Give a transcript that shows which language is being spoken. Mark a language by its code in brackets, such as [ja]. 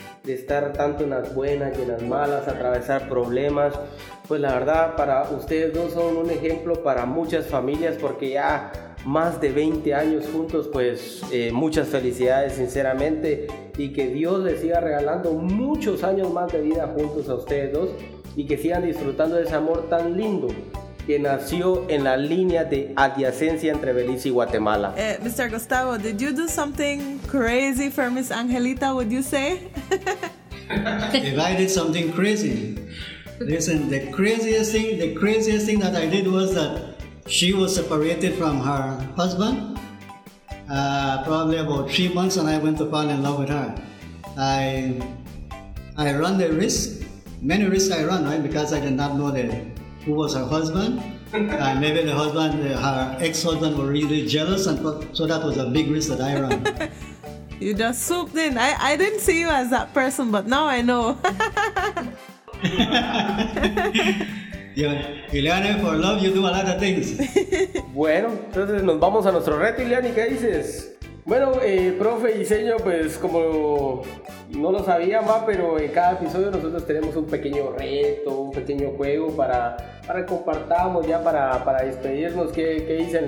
[es] estar tanto en las buenas que en las malas, atravesar problemas, pues la verdad para ustedes dos son un ejemplo para muchas familias, porque ya más de 20 años juntos, pues muchas felicidades, sinceramente, y que Dios les siga regalando muchos años más de vida juntos a ustedes dos, y que sigan disfrutando de ese amor tan lindo que nació en la línea de adyacencia entre Belice y Guatemala. [en] Mr. Gustavo, did you do something crazy for Miss Angelita, would you say? If I did something crazy, listen, the craziest thing that I did was that she was separated from her husband probably about 3 months, and I went to fall in love with her. I ran the risk, many risks I ran, right? Because I did not know who was her husband. Maybe the husband, her ex-husband, were really jealous, and so that was a big risk that I ran. You just swooped in. I didn't see you as that person, but now I know. Yeah. Iliane, for love you do a lot of things. [es] Bueno, entonces nos vamos a nuestro reto, Iliane, ¿qué dices? Bueno, profe y señor, pues como no lo sabían, va, pero en cada episodio nosotros tenemos un pequeño reto, un pequeño juego para que compartamos ya para despedirnos. ¿Qué dicen?